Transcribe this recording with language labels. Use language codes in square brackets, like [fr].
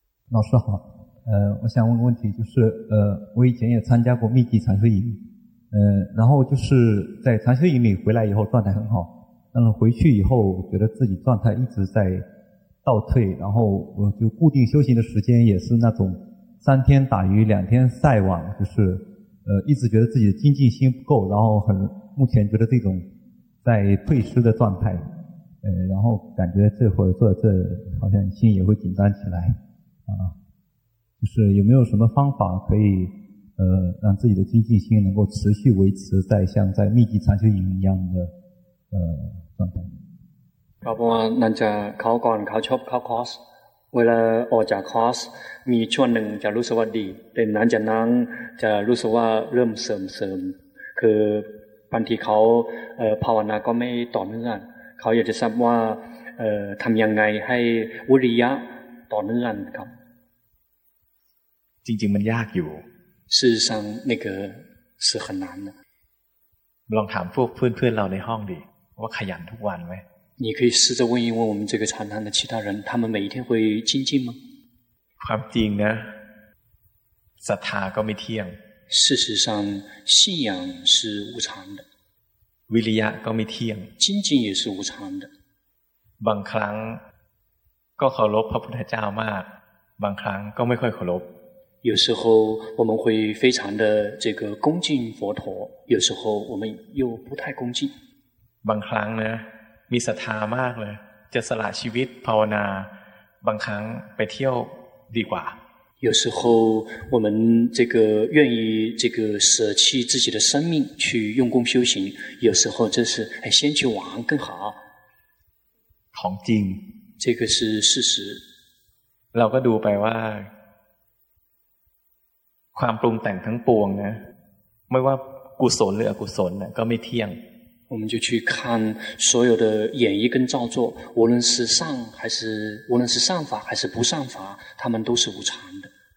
[zh] 老师好，我想问个问题，就是我以前也参加过密集禅修营，然后就是在禅修营里回来以后状态很好，但是回去以后我觉得自己状态一直在倒退，然后我就固定修行的时间也是那种三天打鱼两天晒网，就是一直觉得自己的精进心不够，然后很目前觉得这种在退失的状态，然后感觉这会儿做这好像心也会紧张起来。就是有没有什么方法可以让自己的精进心能够持续维持在像在密集禅修营一样的状态。 [th] ครับว่านั่นจะเขาก่อนเขาชอบเขาคอร์สเวลาออกจากคอร์สมีช่วงหนึ่งจะรู้สึกว่าดีแต่นั้นจะนั่งจะรู้สึกว่าเริ่มเสริมคือบางทีเขาภาวนาก็ไม่ต่อเนื่องเขาอยากจะทราบว่าทำยังไงให้วิริยะต่อเนื่องครับ จริงๆมันยากอยู่ [zh] 事实上那个是很难的 [th] ลองถามพวกเพื่อนๆ เราในห้องดิว่าขยันทุกวันไหม [zh] 你可以试着问一问我们这个禅堂的其他人他们每一天会精进吗 [th] ความจริงนะศรัทธาก็ไม่เที่ยง [zh] 事实上信仰是无常的 [th] วิริยะก็ไม่เที่ยง [zh] 精进也是无常的 [th] บางครั้งก็เคารพพระพุทธเจ้ามากบางครั้งก็ไม่ค่อยเคารพ [zh] 有时候我们会非常的这个恭敬佛陀有时候我们又不太恭敬 [th] บางครั้งนะมีศรัทธามากเลยจะสละชีวิตภาวนาบางครั้งไปเที่ยวดีกว่า [zh] 有时候我们这个愿意这个舍弃自己的生命去用功修行有时候就是哎先去玩更好 [th] ของจริง [zh] 这个是事实 [th] เราก็ดูไปว่าความปรุงแต่งทั้งปวงนะไม่ว่ากุศลหรืออกุศลนะก็ไม่เที่ยง [zh] 我们就去看所有的演绎跟造作无论是善法还是不善法他们都是无常的